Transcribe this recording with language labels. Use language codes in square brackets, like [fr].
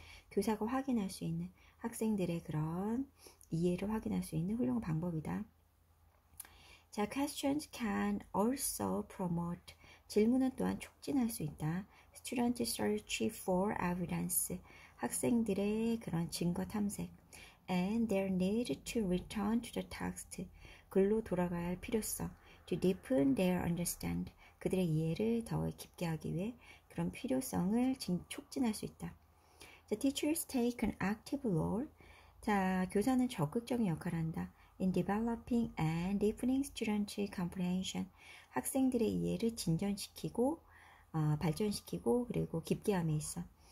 [ko] 교사가 확인할 수 있는 학생들의 그런 이해를 확인할 수 있는 훌륭한 방법이다. 자, [en] questions can also promote. [ko] 질문은 또한 촉진할 수 있다. [en] Student search for evidence. [ko] 학생들의 그런 증거 탐색. [en] And their need to return to the text. [ko] 글로 돌아가야 할 필요성. [en] To deepen their understand. [ko] 그들의 이해를 더 깊게 하기 위해 그런 필요성을 촉진할 수 있다. [en] The teachers take an active role. [ko] 자, 교사는 적극적인 역할을 한다. [en] In developing and deepening student comprehension, [ko] 학생들의 이해를 진전시키고 발전시키고 그리고 깊게 함에 있어.